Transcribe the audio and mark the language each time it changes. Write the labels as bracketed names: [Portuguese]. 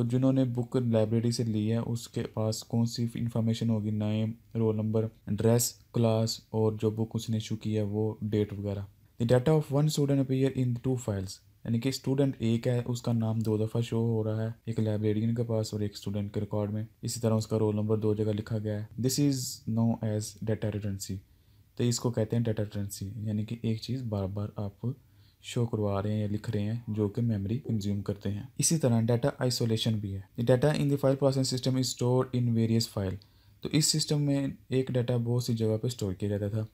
[Urdu] تو جنہوں نے بک لائبریری سے لی ہے اس کے پاس کون سی انفارمیشن ہوگی, نیم, رول نمبر, ڈریس, کلاس اور جو بک اس نے ایشو کی ہے وہ ڈیٹ وغیرہ. [English] The data of one student appear in two files. [Urdu] یعنی کہ اسٹوڈنٹ ایک ہے, اس کا نام دو دفعہ شو ہو رہا ہے, ایک لائبریرین کے پاس اور ایک اسٹوڈنٹ کے ریکارڈ میں. اسی طرح اس کا رول نمبر دو جگہ لکھا گیا ہے. [English] This is known as data redundancy. [Urdu] تو اس کو کہتے ہیں ڈیٹا ریڈنڈنسی. یعنی کہ ایک چیز بار بار آپ شو کروا رہے ہیں یا لکھ رہے ہیں جو کہ میموری کنزیوم کرتے ہیں. اسی طرح ڈیٹا آئسولیشن بھی ہے. [English] Data in the file processing system is stored in various file. [Urdu] تو اس سسٹم میں ایک ڈیٹا بہت سی جگہ پہ اسٹور کیا جاتا تھا.